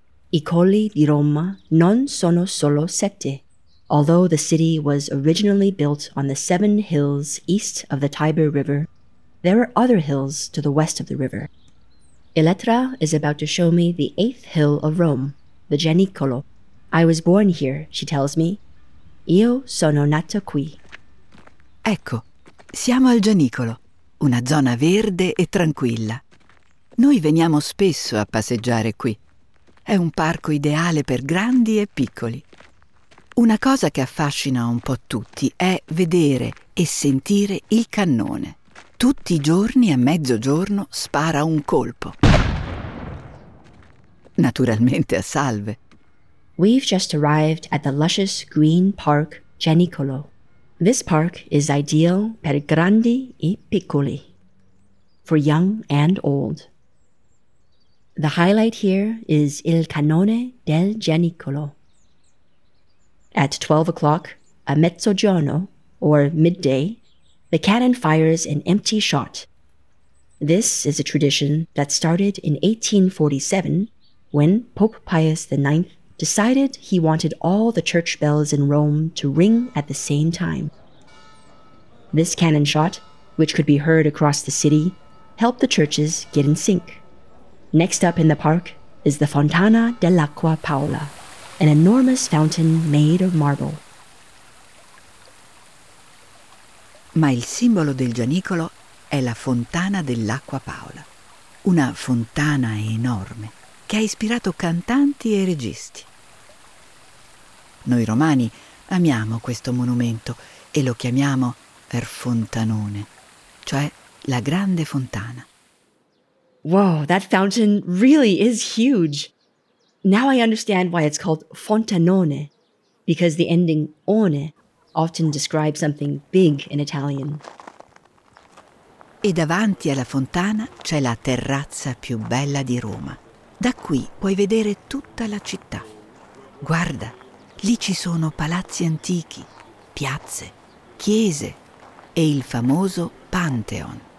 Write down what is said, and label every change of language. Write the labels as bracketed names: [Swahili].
[Italian] I colli di Roma non sono solo 7, [English] although the city was originally built on the 7 hills east of the Tiber River, there are other hills to the west of the river. Elettra is about to show me the 8th hill of Rome, the Gianicolo. I was born here, she tells me. [Italian] Io sono nata qui. Ecco, siamo al Gianicolo, una zona verde e tranquilla. Noi veniamo spesso a passeggiare qui. È un parco ideale per grandi e piccoli. Una cosa che affascina un po' tutti è vedere e sentire il cannone. Tutti i giorni a mezzogiorno spara un colpo. naturalmente a salve. [English] We've just arrived at the luscious green park Genicolo. This park is ideal [Italian] per grandi e piccoli, [English] for young and old. The highlight here is [Italian] il canone del Genicolo. [English] At 12 o'clock, [Italian] a mezzogiorno, [English] or midday, the cannon fires an empty shot. This is a tradition that started in 1847 when Pope Pius IX decided he wanted all the church bells in Rome to ring at the same time. This cannon shot, which could be heard across the city, helped the churches get in sync. Next up in the park is the Fontana dell'Acqua Paola, an enormous fountain made of marble. [Italian] Ma il simbolo del Gianicolo è la Fontana dell'Acqua Paola, una fontana enorme che ha ispirato cantanti e registi. Noi romani amiamo questo monumento e lo chiamiamo Er Fontanone, cioè la grande fontana. [English] Wow, that fountain really is huge. Now I understand why it's called Fontanone, because the ending one often describes something big in Italian. [Italian] E davanti alla fontana c'è la terrazza più bella di Roma. Da qui puoi vedere tutta la città. Guarda, lì ci sono palazzi antichi, piazze, chiese e il famoso Pantheon.